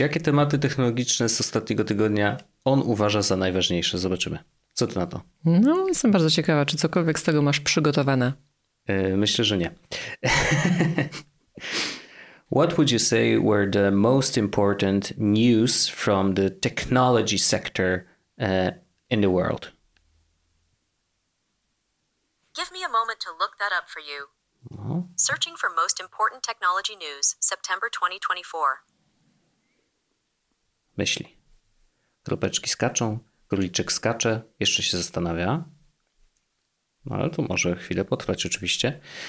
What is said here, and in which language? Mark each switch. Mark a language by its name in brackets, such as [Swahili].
[Polish] Jakie tematy technologiczne z ostatniego tygodnia on uważa za najważniejsze? Zobaczymy. Co ty na to? No, jestem bardzo ciekawa, czy cokolwiek z tego masz przygotowane? Myślę, że nie. [English] What would you say were the most important news from the technology sector in the world? Give me a moment to look that up for you. Searching for most important technology news, September 2024. [Polish] Myśli. Kropeczki skaczą, króliczek skacze, jeszcze się zastanawia. No ale to może chwilę potrwać oczywiście.